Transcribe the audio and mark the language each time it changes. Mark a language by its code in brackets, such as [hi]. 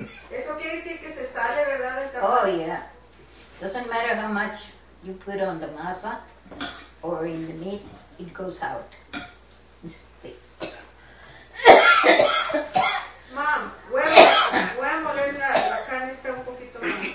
[es] Eso quiere decir que se sale, ¿verdad, del [en] tamale? Oh, yeah. Doesn't matter how much you put on the masa or in the meat, it goes out. [es] Mom, voy a moler la carne está un poquito más.